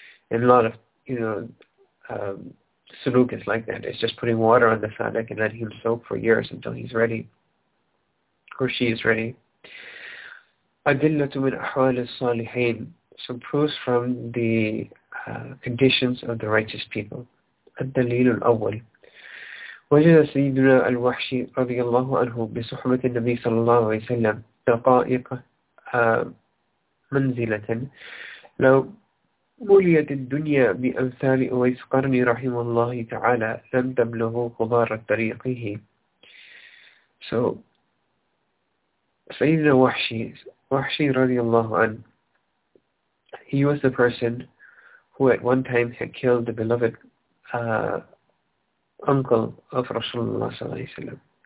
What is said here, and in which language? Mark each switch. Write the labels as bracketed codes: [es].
[en] And a lot of, you know, suluk is like that. It's just putting water on the salik and letting him soak for years until he's ready or she is ready. [ar] Adillatu min ahwal as-salihin. [en] Some proofs from the conditions of the righteous people. [ar] الدليل الأول وجد سيدنا الوحشي رضي الله عنه بصحبة النبي صلى الله عليه وسلم دقائق منزلة لو موليت الدنيا بأمثال أويس قرني رحمه الله تعالى لم تبلغ غبار طريقه. [en] So, سيدنا وحشي, وحشي رضي الله عنه, he was the person who at one time had killed the beloved uncle of Rasulullah صلى الله عليه وسلم.